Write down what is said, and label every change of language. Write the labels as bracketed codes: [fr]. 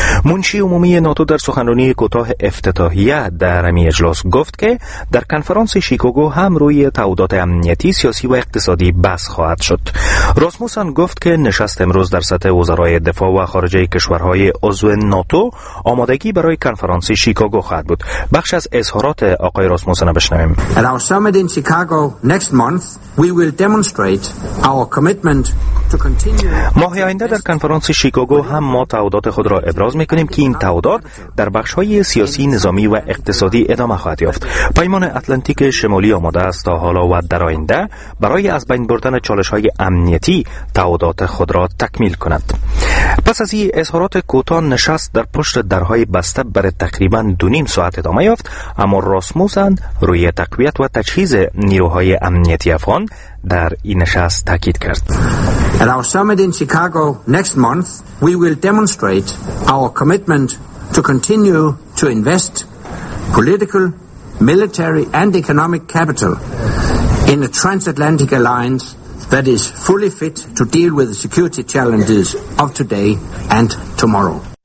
[fa] منشی عمومی ناتو در سخنرانی کوتاه افتتاحیه در این اجلاس گفت که در کنفرانس شیکاگو هم روی تعهدات امنیتی، سیاسی و اقتصادی بحث خواهد شد. راسموسن گفت که نشست امروز در سطح وزرای دفاع و خارجه کشورهای عضو ناتو آمادگی برای کنفرانس شیکاگو خواهد بود. بخش از اظهارات آقای راسموسن را بشنویم. [en] At our summit in Chicago next month, we will demonstrate our commitment to continue. [fa] ماه آینده در کنفرانس شیکاگو هم ما تعهدات خود را ابراز می‌کنیم که این تعهدات در بخش‌های سیاسی، نظامی و اقتصادی ادامه خواهد یافت. پیمان اتلانتیک شمالی آماده است تا حالا و در آینده برای از بین بردن چالش‌های امنیتی تعهدات خود را تکمیل کند. پس از این اظهارات کوتاه، نشست در پشت درهای بسته بر تقریبا 2.5 ساعت ادامه یافت، اما راسموسن روی تقویت و تجهیز نیروهای امنیتی افغان در این نشست تاکید کرد. [en] At our summit in Chicago next month, we will demonstrate our commitment to continue to invest political, military and economic capital in a transatlantic alliance that is fully fit to deal with the security challenges of today and tomorrow.